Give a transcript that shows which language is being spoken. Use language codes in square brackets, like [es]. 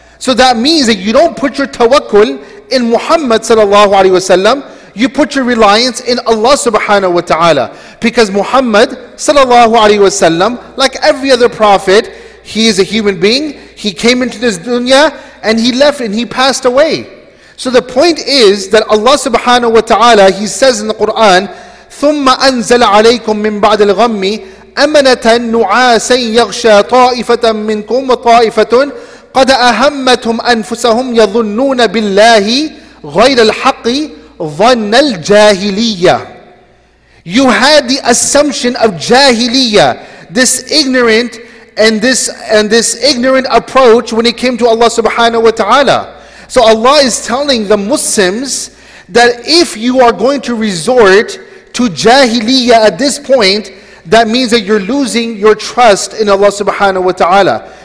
[en] So that means that you don't put your tawakkul in Muhammad sallallahu alayhi wa sallam, you put your reliance in Allah subhanahu wa ta'ala. Because Muhammad sallallahu alayhi wa sallam, like every other prophet, he is a human being, he came into this dunya, and he left and he passed away. So the point is that Allah subhanahu wa ta'ala, He says in the Quran, [ar] ثُمَّ أَنزَلَ عَلَيْكُم مِّن بَعْدِ الْغَمِّ أَمَنَةً نُعَاسًا يَغْشَى طَائِفَةً مِّنْكُمْ وَطَائِفَةٌ قَدْ أَهَمَّتْهُمْ أَنفُسَهُمْ يَظُنُّونَ بِاللَّهِ غَيْرَ الْحَقِّ ظَنَّ الْجَاهِلِيَّةِ. [en] You had the assumption of jahiliyyah, this ignorant and this ignorant approach when it came to Allah subhanahu wa ta'ala. So Allah is telling the Muslims that if you are going to resort to jahiliyyah at this point, that means that you're losing your trust in Allah subhanahu wa ta'ala.